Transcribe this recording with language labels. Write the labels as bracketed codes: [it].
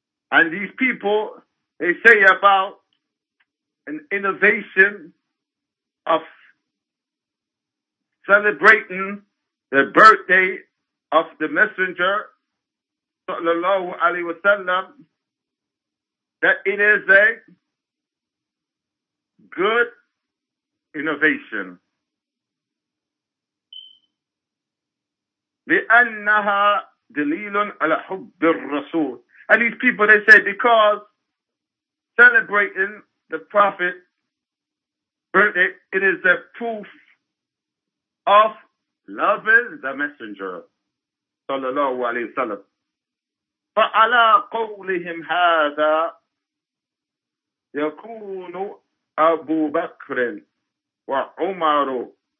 [en] And these people, they say about an innovation of celebrating the birthday of the Messenger, sallallahu alaihi wasallam, that it is a good innovation. [ar] لأنها دليل على حب الرسول. [en] And these people, they say, because celebrating the Prophet's birthday, it is a proof of loving the Messenger, [ar] صلى الله عليه وسلم. فعلى قولهم هذا يكون أبو بكر وعمر